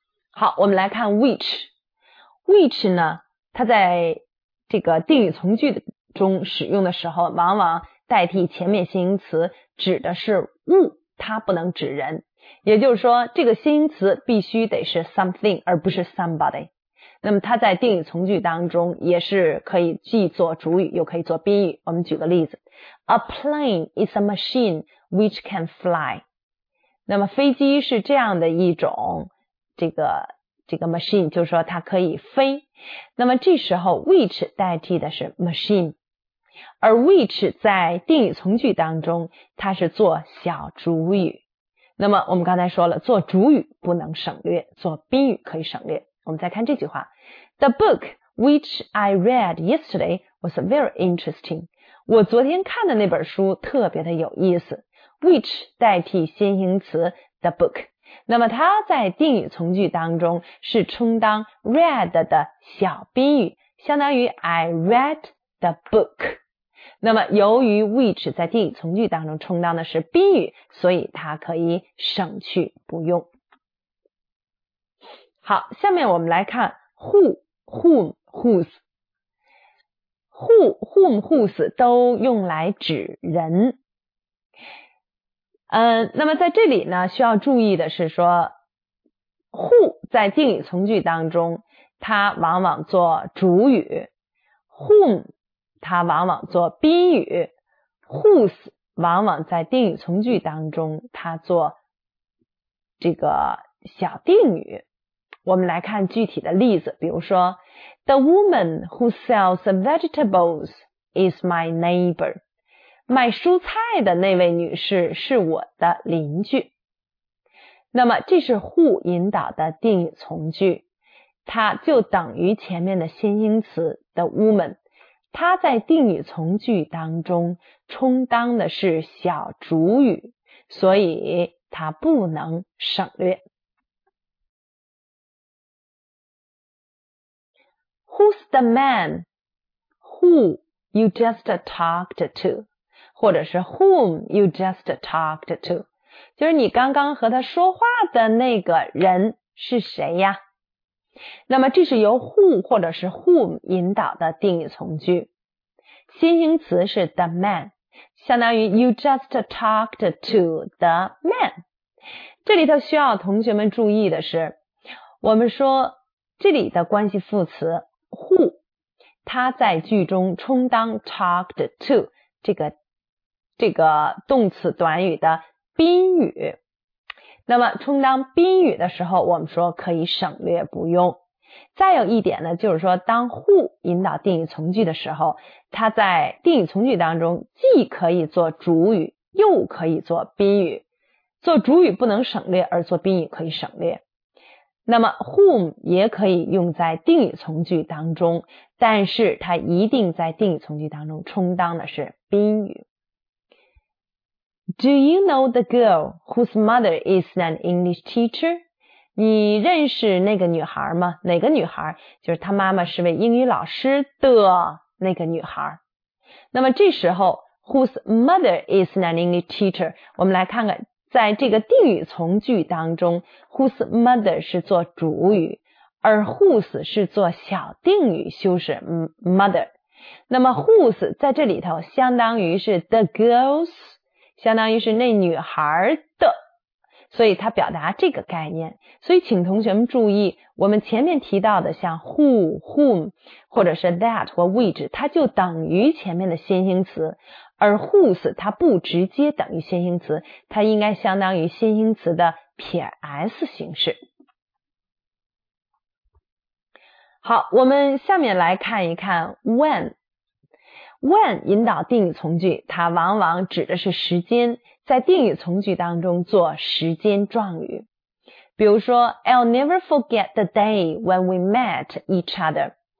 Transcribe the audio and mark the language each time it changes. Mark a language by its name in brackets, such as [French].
[Chinese] 好，我们来看 which。which 呢，它在这个定语从句中使用的时候往往代替前面形容词，指的是物，它不能指人。也就是说这个形容词必须得是 something 而不是 somebody。那么它在定语从句当中也是可以既做主语又可以做宾语。我们举个例子， [English] A plane is a machine which can fly。 [Chinese] 那么飞机是这样的一种这个 machine， 就是说它可以飞。那么这时候 which 代替的是 machine， 而 which 在定语从句当中它是做小主语。那么我们刚才说了，做主语不能省略，做宾语可以省略。我们再看这句话， [English] The book which I read yesterday was very interesting。 [Chinese] 我昨天看的那本书特别的有意思。which 代替先行词 the book， 那么它在定语从句当中是充当 read 的小宾语，相当于 [English] I read the book。 [Chinese] 那么由于 which 在定语从句当中充当的是宾语，所以它可以省去不用。好，下面我们来看 who, whom, whose。 who, whom, whose 都用来指人。那么在这里呢需要注意的是说， who 在定语从句当中它往往做主语， whom 它往往做宾语， whose 往往在定语从句当中它做这个小定语。我们来看具体的例子，比如说 [English] The woman who sells vegetables is my neighbor， [Chinese] 卖蔬菜的那位女士是我的邻居。那么这是 who 引导的定语从句，它就等于前面的先行词 the woman， 它在定语从句当中充当的是小主语，所以它不能省略。 [English] Who's the man who you just talked to， [Chinese] 或者是 [English] whom you just talked to， [Chinese] 就是你刚刚和他说话的那个人是谁呀。那么这是由 who 或者是 whom 引导的定语从句，先行词是 the man， 相当于 [English] you just talked to the man。 [Chinese] 这里头需要同学们注意的是，我们说这里的关系副词who， 他在句中充当 talked to 这个动词短语的宾语。那么充当宾语的时候我们说可以省略不用。再有一点呢，就是说当 who 引导定语从句的时候，他在定语从句当中既可以做主语又可以做宾语，做主语不能省略，而做宾语可以省略。那么 whom 也可以用在定语从句当中，但是它一定在定语从句当中充当的是宾语。 [English] Do you know the girl whose mother is an English teacher? [Chinese] 你认识那个女孩吗？哪个女孩？就是她妈妈是位英语老师的那个女孩。那么这时候 [English] whose mother is an English teacher， [Chinese] 我们来看看在这个定语从句当中 whose mother 是做主语，而 whose 是做小定语修饰 mother。那么 whose 在这里头相当于是 the girl's， 相当于是那女孩的，所以它表达这个概念。所以请同学们注意，我们前面提到的像 who, whom, 或者是 that 或 which, 它就等于前面的先行词，而 whose 它不直接等于先行词，它应该相当于先行词的撇 s 形式。好，我们下面来看一看 when。When 引导定语从句，它往往指的是时间，在定语从句当中做时间状语。比如说 [English] I'll never forget the day when we met each other.